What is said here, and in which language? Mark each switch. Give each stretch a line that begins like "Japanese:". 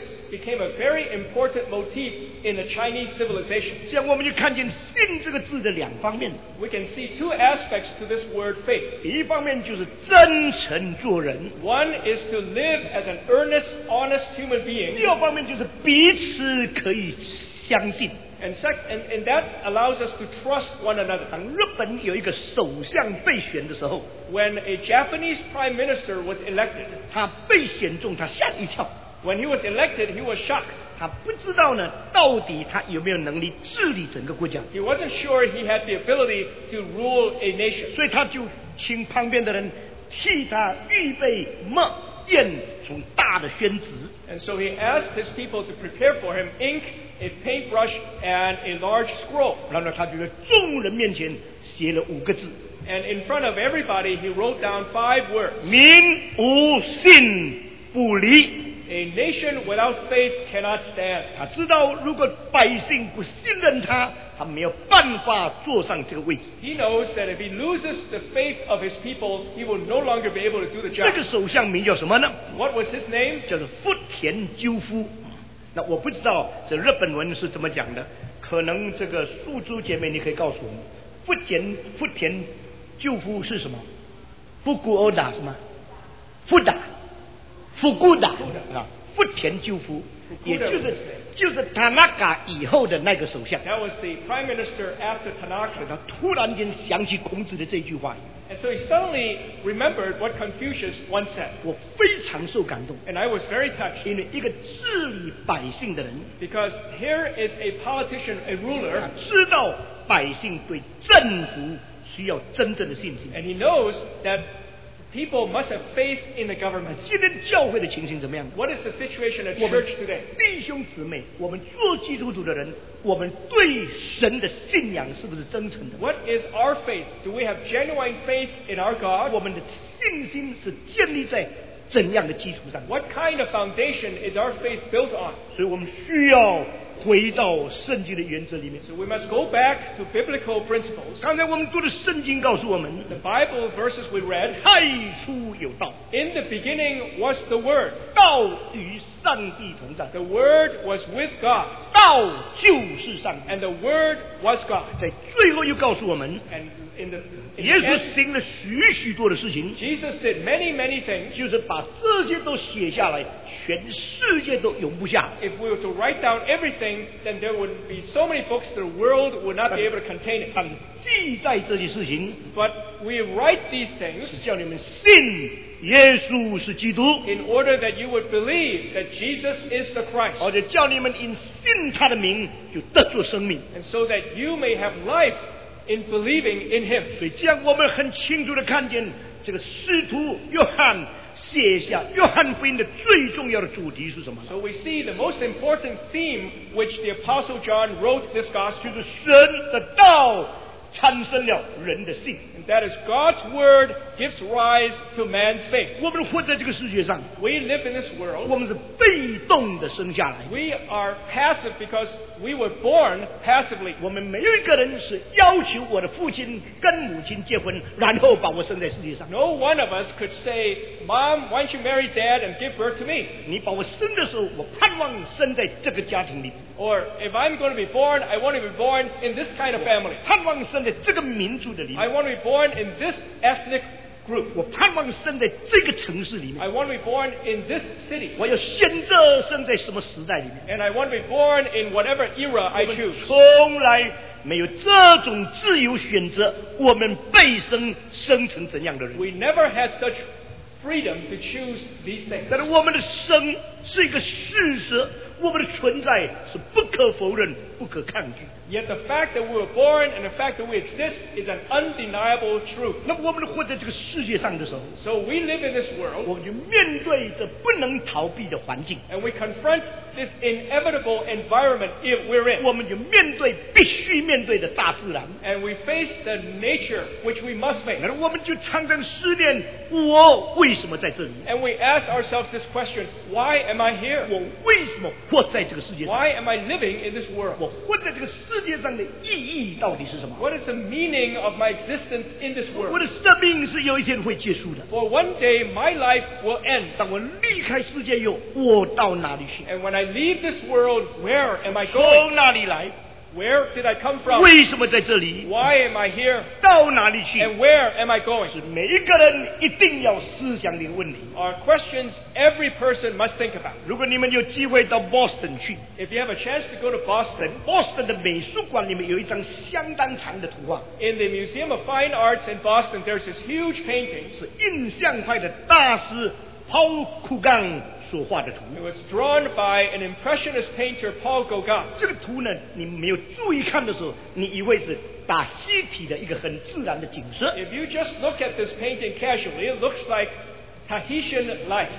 English: became a very important motif in the Chinese civilization.
Chinese: 这样我们就看见信这个字的两方面。
English: We can see two aspects to this word faith.
Chinese: 一方面就是真诚做人。
English: One is to live as an earnest, honest human being.
Chinese: 第二方面就是彼此可以相信。
English: And that allows us to trust one another.
Chinese: 当日本有一个首相被选的时候
English: ，When a Japanese prime minister was elected，
Chinese: 他被选中，他吓一跳。
English: When he was elected, he was shocked.
Chinese: 他不知道呢，到底他有没有能力治理整个国家。
English: He wasn't sure he had the ability to rule a nation.
Chinese: 所以他就请旁边的人替他预备墨砚，从大的宣纸。
English: And so he asked his people to prepare for him ink. A paintbrush and a large scroll.
Chinese: 然后他就在众人面前写了五个字。
English: And in front of everybody, he wrote down five words.
Chinese: 民无信不立。
English: A nation without faith cannot stand.
Chinese: 他知道如果百姓不信任他，他没有办法坐上这个位置。
English: He knows that if he loses the faith of his people, he will no longer be able to do the job.
Chinese: 这个首相名叫什么呢？
English: What was his name?
Chinese: 叫做福田赳夫。那我不知道这日本文是怎么讲的，可能这个素珠姐妹你可以告诉我们，福田赳夫是什么？福古欧达是吗？福古达啊，福田赳夫，也就是塔纳卡以后的那个首相。
English: That was the prime minister after Tanaka.
Chinese: 他突然间想起孔子的这句话。
English: And so he suddenly remembered what Confucius once said.
Chinese: 我非常受感动。
English: And I was very touched.
Chinese: 因为一个治理百姓的人。
English: Because here is a politician, a ruler.
Chinese: 知道百姓对政府需要真正的信心。
English: And he knows that people must have faith in the government.
Chinese: 今天教会的情形怎么样？
English: What is the situation at church today?
Chinese: 弟兄姊妹，我们做基督徒的人。我们对神的信仰是不是真诚的？
English: What is our faith? Do we have genuine faith in our God?
Chinese: 我们的信心是建立在怎样的基础上？
English: What kind of foundation is our faith built on?
Chinese: 所以我们需要回到圣经的原则里面。
English: So we must go back to biblical principles.
Chinese: 刚才我们读的圣经告诉我们，
English: The Bible verses we read,
Chinese: 太初有道。
English: In the beginning was the Word.
Chinese: 道与上帝同在。
English: The Word was with God.
Chinese: 道就是上帝。
English: And the Word was God.
Chinese: 在最后又告诉我们，
English: And in the
Chinese: 耶稣行了许许多的事情。
English: Jesus did many, many things.
Chinese: 就是把这些都写下来，全世界都容不下。
English: If we were to write down everythingthen there would be so many books the world would not be able to contain it.
Chinese: 但记载这些事情，
English: But we write these things
Chinese: 是叫你们信耶稣是基督，
English: in order that you would believe that Jesus is the Christ.
Chinese: 而且叫你们 in 信他的名就得着生命，
English: and so that you may have life in believing in him.
Chinese: 所以这样我们很清楚地看见这个使徒约翰写下约翰福音的最重要的主题是什么？
English: So we see the most important theme which the Apostle John wrote this gospel.
Chinese: 就是神的道产生了人的信。
English: And that is God's word gives rise to man's faith.
Chinese: 我们活在这个世界上。
English: We live in this world.
Chinese: 我们是被动的生下来。
English: We are passive because we were born passively.
Chinese: 我们没有一个人是要求我的父亲跟母亲结婚，然后把我生在世界上。
English: No one of us could say, Mom, why don't you marry Dad and give birth to me?
Chinese: 你把我生的时候，我盼望生在这个家庭里。
English: Or if I'm going to be born, I want to be born in this kind of family.
Chinese: 盼望生在这个民族的里面。
English: I want to be born in this ethnic group.
Chinese: 我盼望生在这个城市里面。
English: I want to be born in this city.
Chinese: 我要选择生在什么时代里面。
English: And I want to be born in whatever era I choose.
Chinese: 从来没有这种自由选择，我们被生成怎样的人。
English: We never had such freedom to choose these things.
Chinese: 但是我们的生是一个事实，我们的存在是不可否认，不可抗拒。
English: Yet the fact that we were born and the fact that we exist is an undeniable truth.
Chinese: 那我们活在这个世界上的时候，
English: So we live in this world.
Chinese: 我们就面对着不能逃避的环境。
English: And we confront this inevitable environment if we're in.
Chinese: 我们就面对必须面对的大自然。
English: And we face the nature which we must face.
Chinese: 那我们就常常思念，我为什么在这里？
English: And we ask ourselves this question, why am I here?
Chinese: 我为什么活在这个世界上？
English: Why am I living in this world?
Chinese: 我
English: What is the meaning of my existence in this world?
Chinese: 我的生命是有一天会结束的。
English: For one day, my life will end.
Chinese: 当我离开世界以后，我到哪里去？
English: And when I leave this world, where am I going?
Chinese: 从哪里来？
English: Where did I come from?
Chinese: 为什么在这里?
English: Why am I here?
Chinese: 到哪里去?
English: And where am I going?
Chinese: 是每一个人一定要思想的问题。
English: Are questions every person must think about.
Chinese: 如果你们有机会到 Boston 去,
English: If you have a chance to go to Boston,
Chinese: Boston 的美术馆里面有一张相当长的图画。
English: In the Museum of Fine Arts in Boston, there's this huge painting.
Chinese: 是印象派的大师Paul Gauguin 所画的图。
English: It was drawn by an impressionist painter Paul Gauguin.
Chinese: 这个图呢，你没有注意看的时候，你以为是打西皮的一个很自然的景色。
English: If you just look at this painting casually, it looks like Tahitian life.